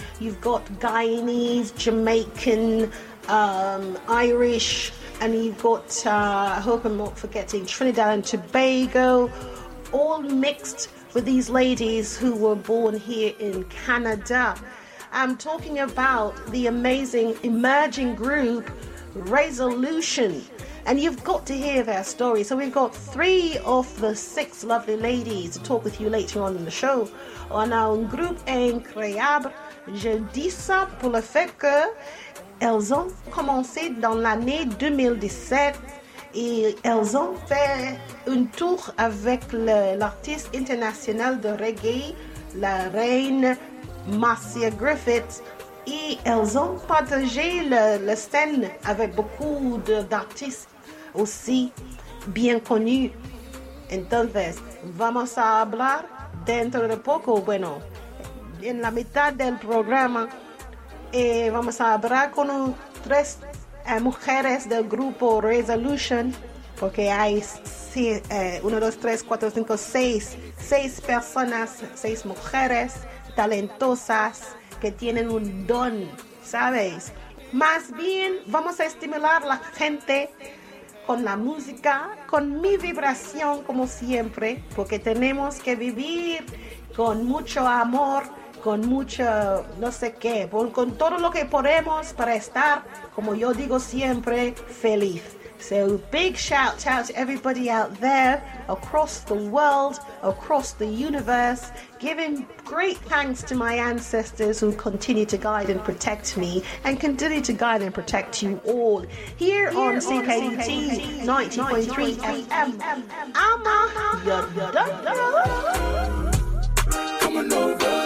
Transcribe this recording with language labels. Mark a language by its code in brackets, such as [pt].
[en] You've got Guyanese, Jamaican, Irish, and you've got I hope I'm not forgetting Trinidad and Tobago, all mixed with these ladies who were born here in Canada. I'm talking about the amazing emerging group Rayzalution. And you've got to hear their story. So we've got three of the six lovely ladies to talk with you later on in the show. [fr] On a un groupe incroyable, je dis ça pour le fait que elles ont commencé dans l'année 2017 et elles ont fait un tour avec l'artiste international de reggae, la reine Marcia Griffiths. Et elles ont partagé la scène avec beaucoup d'artistes aussi bien connu. [es] Entonces, vamos a hablar dentro de poco, bueno, en la mitad del programa, vamos a hablar con tres mujeres del grupo Rayzalution, porque hay seis mujeres talentosas que tienen un don, ¿sabes? Más bien, vamos a estimular a la gente con la música, con mi vibración, como siempre, porque tenemos que vivir con mucho amor, con mucho, no sé qué, con todo lo que podemos para estar, como yo digo siempre, feliz. [en] So, big shout out to everybody out there, across the world, across the universe, giving great thanks to my ancestors who continue to guide and protect me, and continue to guide and protect you all. Here on CKUT 90.3 FM, I'm a... Come on over.